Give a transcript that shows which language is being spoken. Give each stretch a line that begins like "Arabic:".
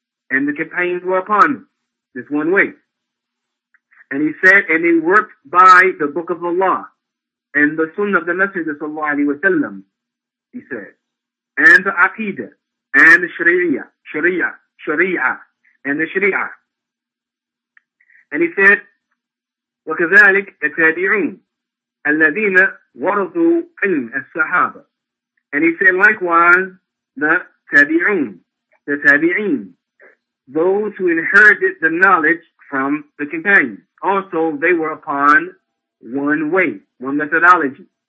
English: And the companions were upon this one way. And he said, and they worked by the Book of Allah and the Sunnah of the Messenger, sallallahu alayhi wa sallam, he said, and the Aqidah, and the Sharia. And he said,
Arabic: وكذلك التابعون الذين ورثوا علم الصحابة.
English: And he said, likewise, the tabi'een, those who inherited the knowledge from the companions. Also, they were upon one way, one methodology.